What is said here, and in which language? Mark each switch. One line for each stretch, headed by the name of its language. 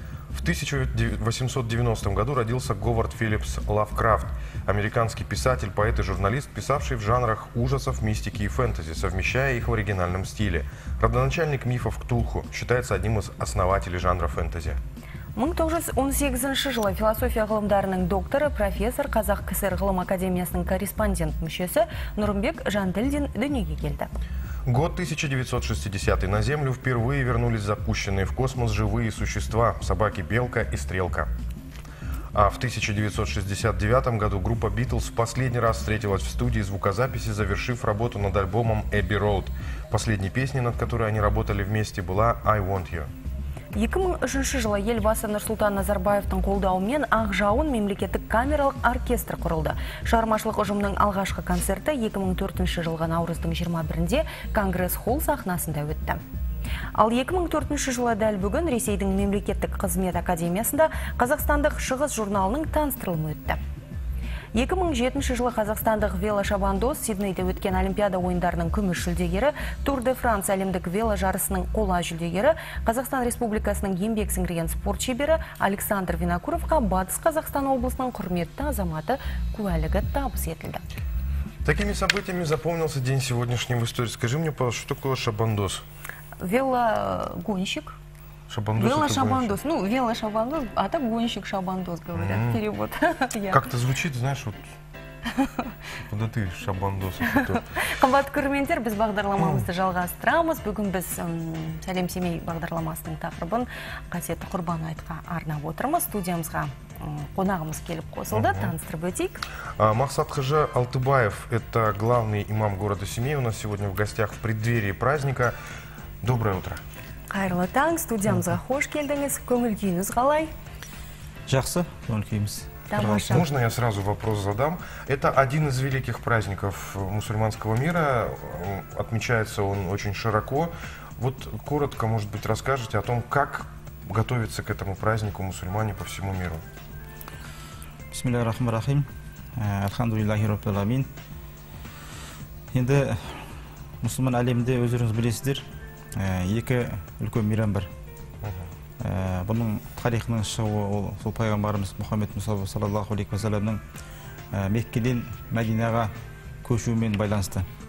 Russian: В 1890 году родился Говард Филлипс Лавкрафт, американский писатель, поэт и журналист, писавший в жанрах ужасов, мистики и фэнтези, совмещая их в оригинальном стиле. Родоначальник мифов Ктулху, считается одним из основателей жанра фэнтези.
Kazakh: В 1918 жылы философия ғылымдарының докторы, профессор, Қазақ КСР ғылым академиясының корреспондент мүшесі Нұрымбек Жанділдин дүниеге келді.
Russian: Год 1960-й. На Землю впервые вернулись запущенные в космос живые существа – собаки Белка и Стрелка. А в 1969 году группа Beatles в последний раз встретилась в студии звукозаписи, завершив работу над альбомом Abbey Road. Последней песней, над которой они работали вместе, была «I Want You».
Kazakh: 2003 жылы елбасы Нұрсұлтан Назарбаевтың қолдауымен «Ақ жауын» мемлекеттік камералық оркестр құрылды. Шығармашылық ұжымның алғашқы концерті 2004 жылғы наурыздың 21-де Конгресс Холл сахнасында өтті. Ал 2004 жылы дәл бүгін Ресейдің мемлекеттік қызмет академиясында Қазақстандық шығыс журналының таныстырылымы өтті. 2007 жылы қазақстандық велошабандоз Сиднейде өткен олимпиада ойындарының күміш жүлдегері, Тур де Франс әлемдік веложарысының қола жүлдегері, Қазақстан Республикасының еңбек сіңірген спорт шебері Александр Винокуровқа Батыс Қазақстан облысының құрметті азаматы куәлігі табыс етілді.
Russian: Такими событиями запомнился день сегодняшний в истории. Скажи мне, пожалуйста, что такое шабандоз? Велогонщик. Велошабандоз. Ну, велошабандоз, а так гонщик шабандоз, говорят. Перевод. Как-то звучит, знаешь, вот. Куда ты шабандоз?
Kazakh: Қымбат көрермендер, біз бағдарламамызды жалғастырамыз. Бүгін біз Сәлем семей бағдарламасының тақырыбын қасиетті құрбан айтқа арнап отырмыз. Студиямызға қонағымыз келіп қосылды, таныстырып өтейік. Мақсат Қажы Алтыбаев,
Russian: это главный имам города Семей. У нас сегодня в гостях в преддверии праздника. Доброе утро.
Kazakh: Қайырлы таң, студиямызға қош келдіңіз. Көңіл күйіңіз қалай? Жақсы, көңіл күйіміз.
Russian: Можно я сразу вопрос задам? Это один из великих праздников мусульманского мира. Отмечается он очень широко. Вот коротко, может быть, расскажете о том, как готовиться к этому празднику мусульмане по всему миру.
Arabic: Бисмиллахир рахмир рахим. Альхамдулиллахи раббил амин.
Kazakh: Енді мусульман әлемінде өздеріңіз білесіздер. Екі үлкен мейрам бар. Бұның тарихының шығуы ол сол пайғамбарымыз Мұхаммед Мұсаба
Arabic: саллаллаху алейхи ва саллямның
Kazakh: Меккеден Мәдинаға көшуімен байланысты.